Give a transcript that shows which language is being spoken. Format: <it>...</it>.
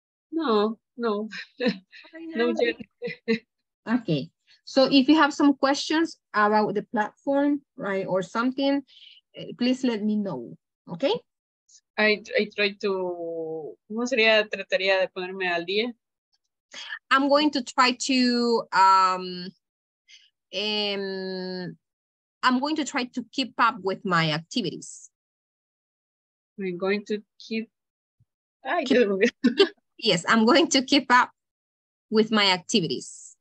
<en>No. Okay. So if you have some questions about the platform, right, or something, please let me know, okay? I try to,</en> <es>¿cómo sería, trataría de ponerme al día?</es> <en>I'm going to try to, I'm going to try to keep up with my activities. I'm going to keep, yes, I'm going to keep up with my activities.</en>